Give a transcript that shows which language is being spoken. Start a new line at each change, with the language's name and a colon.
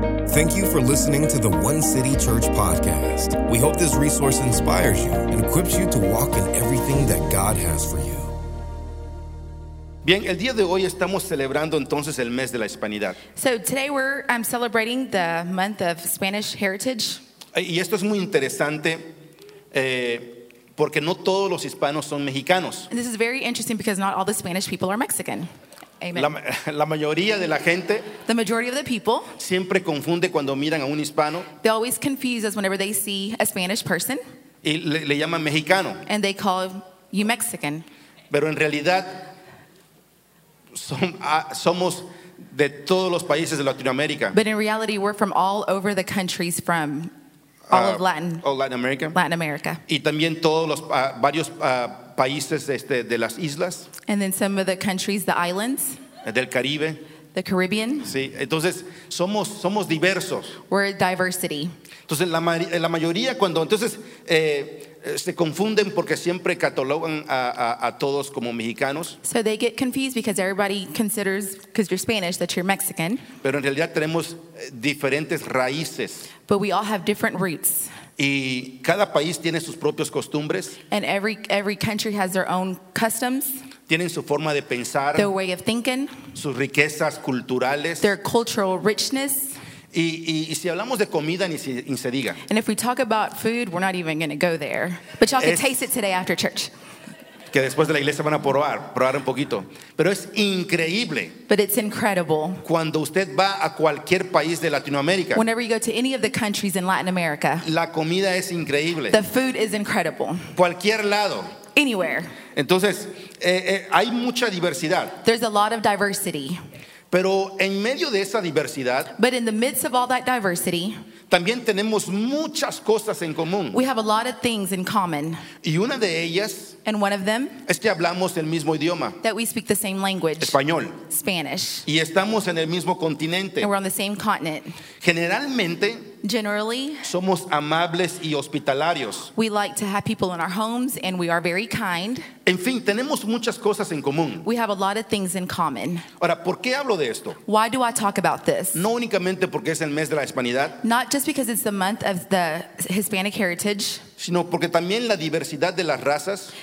English: Thank you for listening to the One City Church podcast. We hope this resource inspires you and equips you to walk in everything that God has for you.
Spanish: Bien, el día de hoy estamos celebrando entonces el mes de la Hispanidad.
English: So today I'm celebrating the month of Spanish heritage.
Spanish: Y esto es muy interesante porque no todos los hispanos son mexicanos.
English: And this is very interesting because not all the Spanish people are Mexican. Amen.
Spanish: La mayoría de la gente,
English: the majority of the people,
Spanish: siempre confunde cuando miran a un hispano.
English: They always confuse us whenever they see a Spanish person.
Spanish: Y le llaman mexicano.
English: And they call you Mexican.
Spanish: Pero en realidad somos de todos los países de Latinoamérica.
English: But in reality, we're from all over the countries, from all of Latin. All Latin America. Latin America.
Spanish: Y también todos los varios países de las islas.
English: And then some of the countries, the islands.
Spanish: Del Caribe.
English: The Caribbean.
Spanish: Sí. Entonces somos diversos.
English: We're diversity.
Spanish: Entonces la mayoría cuando entonces se confunden porque siempre catalogan a todos como mexicanos.
English: So they get confused because everybody considers, because you're Spanish, that you're Mexican.
Spanish: Pero en realidad tenemos diferentes raíces.
English: But we all have different roots.
Spanish: Y cada país tiene sus propias costumbres.
English: And every country has their own customs.
Spanish: Tienen su forma de pensar.
English: Their way of thinking.
Spanish: Sus riquezas culturales.
English: Their cultural richness.
Spanish: Y si hablamos de comida, ni se diga.
English: And if we talk about food, we're not even going to go there. But y'all can taste it today after church.
Spanish: Que después de la iglesia van a probar un poquito. Pero es increíble.
English: But it's incredible.
Spanish: Cuando usted va a cualquier país de Latinoamérica.
English: Whenever you go to any of the countries in Latin America.
Spanish: La comida es increíble.
English: The food is incredible.
Spanish: Cualquier lado.
English: Anywhere.
Spanish: Entonces, hay mucha diversidad.
English: There's a lot of diversity.
Spanish: Pero en medio de esa diversidad.
English: But in the midst of all that diversity.
Spanish: También tenemos muchas cosas en común.
English: We have a lot of things in common.
Spanish: Y una de ellas.
English: And one of them.
Spanish: Es que hablamos el mismo idioma.
English: That we speak the same language.
Spanish: Español.
English: Spanish.
Spanish: Y estamos en el mismo continente.
English: And we're on the same continent.
Spanish: Generalmente.
English: Generally.
Spanish: Somos amables y hospitalarios.
English: We like to have people in our homes and we are very kind.
Spanish: En fin, tenemos muchas cosas en común.
English: We have a lot of things in common.
Spanish: Ahora, ¿por qué hablo de esto?
English: Why do I talk about this?
Spanish: No únicamente porque es el mes de la Hispanidad.
English: Not just because it's the month of the Hispanic heritage.
Spanish: Sino porque también la diversidad de las razas.